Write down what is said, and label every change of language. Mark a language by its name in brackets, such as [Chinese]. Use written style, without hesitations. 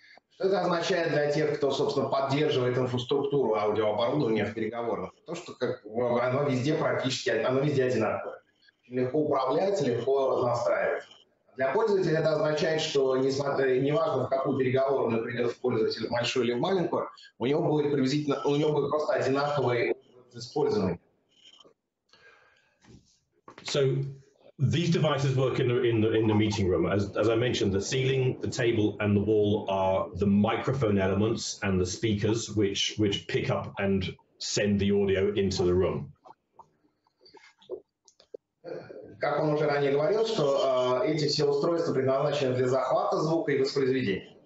[Russian] Что это означает для тех, кто, собственно, поддерживает инфраструктуру аудиооборудования в переговорах? То, что как оно везде практически, оно везде одинаковое. легко управлять, легко настраивать. Для пользователя это означает, что неважно, в какую переговорную придет пользователь, большую или маленькую, у него будет приблизительно, у него будет просто одинаковый опыт использования. [English] So these devices work in the meeting room. As I mentioned, the ceiling, the table, and the wall are the microphone elements and the speakers, which pick up and send the audio into the room. [Russian] Как он уже ранее говорил, что эти все устройства предназначены для захвата звука и воспроизведения.